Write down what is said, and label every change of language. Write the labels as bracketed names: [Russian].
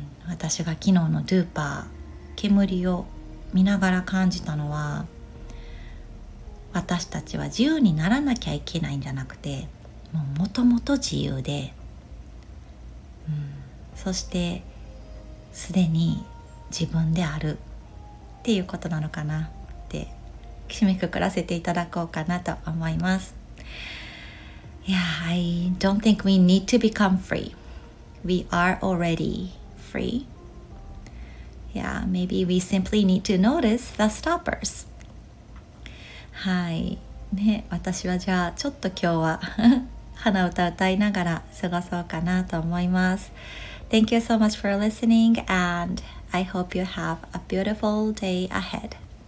[Japanese] 私が昨日のドゥーパー煙を見ながら感じたのは、私たちは自由にならなきゃいけないんじゃなくて、もともと自由で、そしてすでに自分であるっていうことなのかなって締めくくらせていただこうかなと思います。 [English] Yeah, I don't think we need to become free. We are already free. Yeah, maybe we simply need to notice the stoppers. [Japanese] はいね、私はじゃあちょっと今日は鼻歌歌いながら過ごそうかなと思います。 [English] Thank you so much for listening and I hope you have a beautiful day ahead.